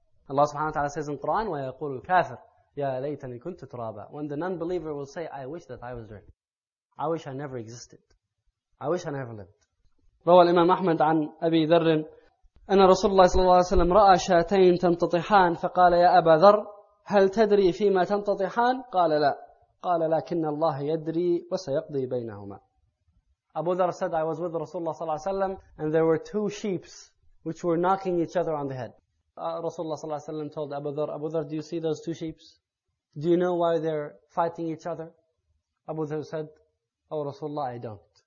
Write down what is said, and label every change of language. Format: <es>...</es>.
<en>Allah subhanahu wa ta'ala says in Quran,</en> <ar>وَيَقُولُ الْكَافِرُ يَا لَيْتَنِي كُنْتُ تُرَابًا.</ar> <en>When the non-believer will say, I wish that I was dirt. I wish I never existed. I wish I never lived.</en> <ar>روى الإمام أحمد عن أبي ذر أن رسول الله صلى الله عليه وسلم رأى شاتين تمتطحان فقال يا أبا ذر هل تدري فيما تمتطحان؟ قال لا. قال لكن الله يدري وسيقضي بينهما.</ar> <en>Abu Dharr said, I was with Rasulullah صلى الله عليه وسلم and there were two sheeps which were knocking each other on the head. Rasulullah صلى الله عليه وسلم told Abu Dharr, do you see those two sheeps? Do you know why they're fighting each other? Abu Dharr said, oh Rasulullah, I don't.</en>